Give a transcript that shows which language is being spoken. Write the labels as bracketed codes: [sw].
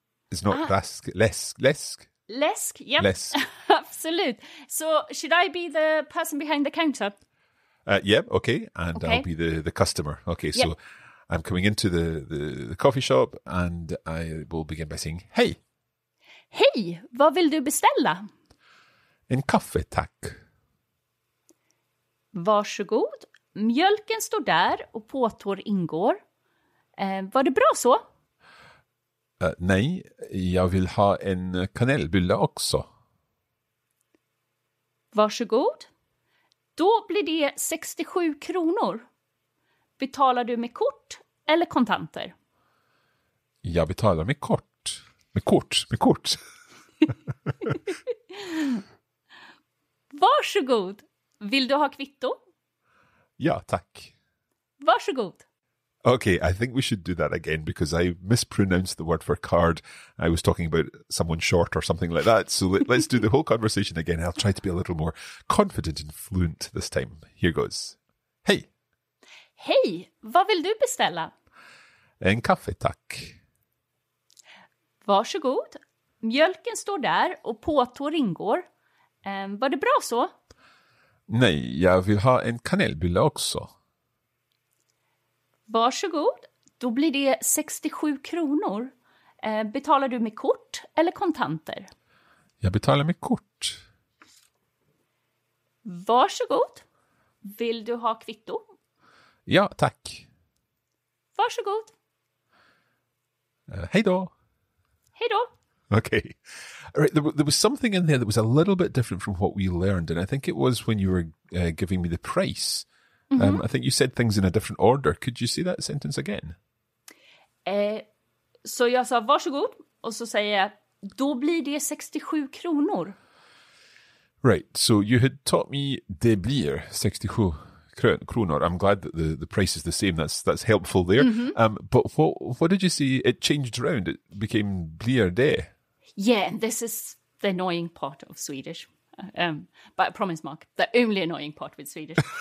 [en] it's not lask, lesk. Lesk, yep. Lesk. Absolute. So should I be the person behind the counter? Okay. I'll be the customer. Okay, yep. So I'm coming into the coffee shop and I will begin by saying, hej. [sv] Hej, vad vill du beställa? En kaffe, tack. Varsågod. Mjölken står där och påtår ingår. Var det bra så? Nej, jag vill ha en kanelbulle också. Varsågod. Då blir det 67 kronor. Betalar du med kort eller kontanter? Jag betalar med kort. Med kort, med kort. Varsågod. Vill du ha kvitto? Ja, tack. Varsågod. [en] Okay, I think we should do that again because I mispronounced the word for card. I was talking about someone short or something like that. So let's do the whole conversation again. I'll try to be a little more confident and fluent this time. Here goes. Hej. [sv] Hej, vad vill du beställa? En kaffe, tack. Varsågod. Mjölken står där och påtår ingår. Var det bra så? Nej, jag vill ha en kanelbulle också. Varsågod. Då blir det 67 kronor. Betalar du med kort eller kontanter? Jag betalar med kort. Varsågod. Vill du ha kvitto? Ja, tack. Varsågod. Hej då. Hej då. [en] Okay. All right, there was something in there that was a little bit different from what we learned, and I think it was when you were giving me the price. Mm-hmm. I think you said things in a different order. Could you say that sentence again? [sv] Så jag sa varsågod, och så säger jag, då blir det 67 kronor. [en] Right, so you had taught me [sv] det blir 67 kronor. [en] I'm glad that the price is the same. That's helpful there. Mm-hmm. But what did you say? It changed around. It became [sv] blir det. [en] Yeah, this is the annoying part of Swedish. But I promise, Mark, the only annoying part with Swedish.